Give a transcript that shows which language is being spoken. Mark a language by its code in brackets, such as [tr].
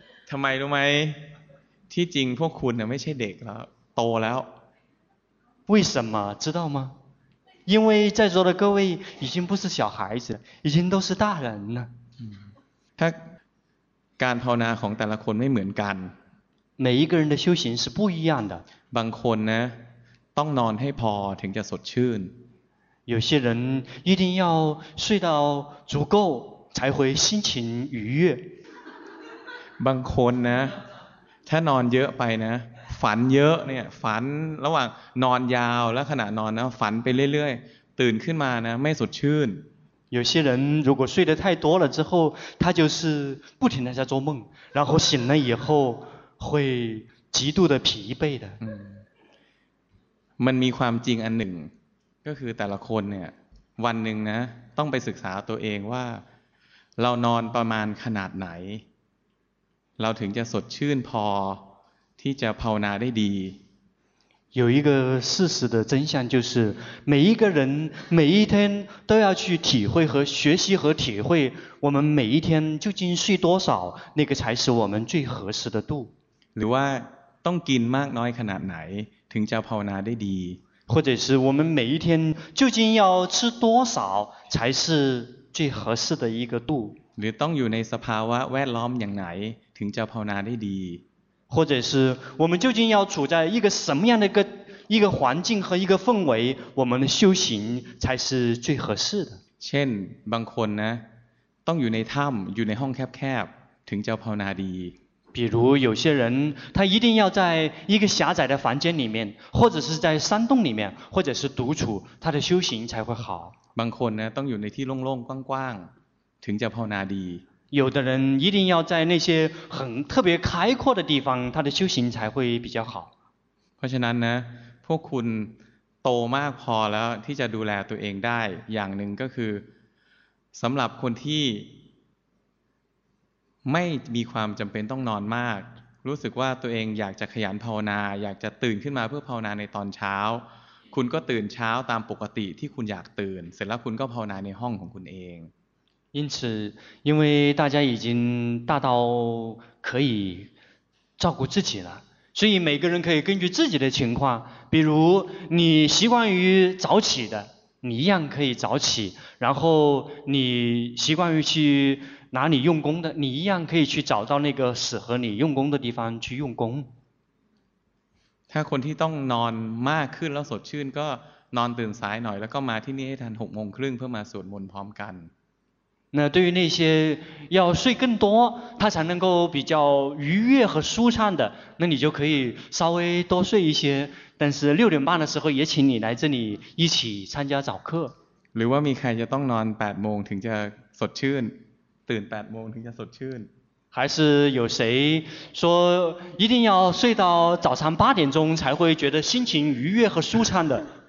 [th] ทำไมรู้ไหมที่จริงพวกคุณเนี่ยไม่ใช่เด็กแล้วโตแล้ว [zh] 为什么知道吗因为在座的各位已经不是小孩子已经都是大人了 [th] การภาวนาของแต่ละคนไม่เหมือนกัน [zh] 每一个人的修行是不一样的 [th] บางคนนะต้องนอนให้พอถึงจะสดชื่น [zh] 有些人一定要睡到足够才会心情愉悦 [th] บางคนนะถ้านอนเยอะไปนะฝันเยอะเนี่ยฝันระหว่างนอนยาวและขณะนอนนะฝันไปเรื่อยๆตื่นขึ้นมานะไม่สดชื่น [zh] 有些人如果睡得太多了之后他就是不停地在做梦然后醒了以后会极度的疲惫的 [th] มันมีความจริงอันหนึ่งก็คือแต่ละคนเนี่ยวันหนึ่งนะต้องไปศึกษาตัวเองว่าเรานอนประมาณขนาดไหนเราถึงจะสดชื่นพอที่จะภาวนาได้ดี [zh] 有一个事实的真相就是每一个人每一天都要去体会和学习和体会我们每一天究竟睡多少那个才是我们最合适的度 [th] หรือว่าต้องกินมากน้อยขนาดไหนถึงจะภาวนาได้ดี [zh] 或者是我们每一天究竟要吃多少才是最合适的一个度 [th] หรือต้องอยู่ในสภาวะแวดล้อมอย่างไหนถึงจะภาวนาได้ดี [zh] 或者是我们究竟要处在一个什么样的一个环境和一个氛围我们的修行才是最合适的 [th] เช่นบางคนนะต้องอยู่ในถ้ำอยู่ในห้องแคบๆถึงจะภาวนาดี [zh] 比如有些人他一定要在一个狭窄的房间里面或者是在山洞里面或者是独处他的修行才会好 [th] บางคนนะต้องอยู่ในที่โล่งๆกว้างๆถึงจะภาวนาดี [zh] 有的人一定要在那些很特别开阔的地方他的修行才会比较好 [th] เพราะฉะนั้นนะพวกคุณโตมากพอแล้วที่จะดูแลตัวเองได้อย่างหนึ่งก็คือสำหรับคนที่ไม่มีความจำเป็นต้องนอนมากรู้สึกว่าตัวเองอยากจะขยันภาวนาอยากจะตื่นขึ้นมาเพื่อภาวนาในตอนเช้าคุณก็ตื่นเช้าตามปกติที่คุณอยากตื่นเสร็จแล้วคุณก็ภาวนาในห้องของคุณเอง [zh] 因此因为大家已经大到可以照顾自己了所以每个人可以根据自己的情况比如你习惯于早起的你一样可以早起然后你习惯于去哪里用功的你一样可以去找到那个适合你用功的地方去用功 [th] ถ้าคนที่ต้องนอนมากขึ้นแล้วสดชื่นก็นอนตื่นสายหน่อยแล้วก็มาที่นี่ให้ทันหกโมงครึ่งเพื่อมาสวดมนต์พร้อมกัน [zh] 那对于那些要睡更多他才能够比较愉悦和舒畅的那你就可以稍微多睡一些但是六点半的时候也请你来这里一起参加早课 [th] หรือว่ามีใครจะต้องนอนแปดโมงถึงจะสดชื่นตื่นแปดโมงถึงจะสดชื่น [zh] 还是有谁说一定要睡到早上八点钟才会觉得心情愉悦和舒畅的